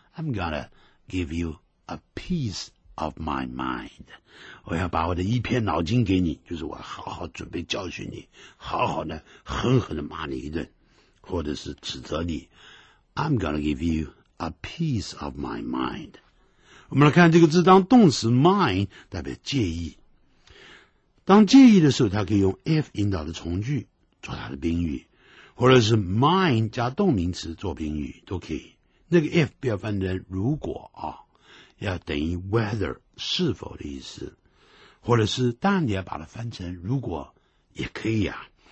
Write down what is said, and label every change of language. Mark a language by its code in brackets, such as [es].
[en] I'm gonna give you a piece of my mind. [zh] 我要把我的一片脑筋给你，就是我好好准备教训你，好好的狠狠的骂你一顿，或者是指责你。 [en] I'm gonna give you a piece of my mind. [zh] 我们来看这个字当动词 mind, 代表介意。当介意的时候，他可以用 if 引导的从句做他的宾语，或者是 mind 加动名词做宾语都可以。那个 if 不要翻成如果啊，要等于 whether 是否的意思，或者是当然你要把它翻成如果也可以啊。